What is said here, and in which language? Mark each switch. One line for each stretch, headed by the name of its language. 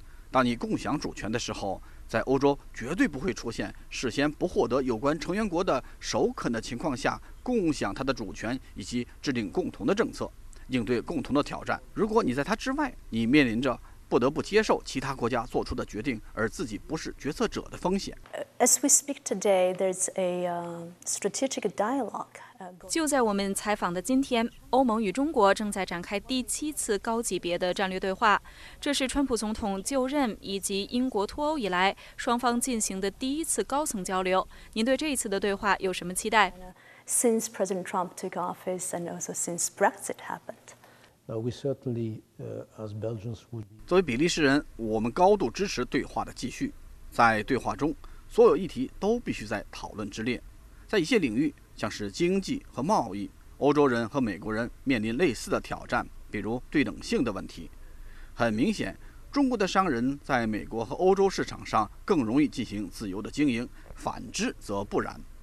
Chinese: 当你共享主权的时候，在欧洲绝对不会出现事先不获得有关成员国的首肯的情况下共享它的主权以及制定共同的政策。应对共同的挑战。如果你在它之外，你面临着不得不接受其他国家做出的决定，而自己不是决策者的风险。
English: As we speak today, there's a strategic dialogue.
Chinese: 就在我们采访的今天，欧盟与中国正在展开第七次高级别的战略对话。这是川普总统就任以及英国脱欧以来双方进行的第一次高层交流。您对这一次的对话有什么期待？
English: Since President Trump took office and also since Brexit happened. Now we certainly, as Belgians would.
Chinese: 作为比利时人，我们高度支持对话的继续。在对话中，所有议题都必须在讨论之列。在一些领域，像是经济和贸易，欧洲人和美国人面临类似的挑战，比如对等性的问题。很明显，中国的商人在美国和欧洲市场上更容易进行自由的经营，反之则不然。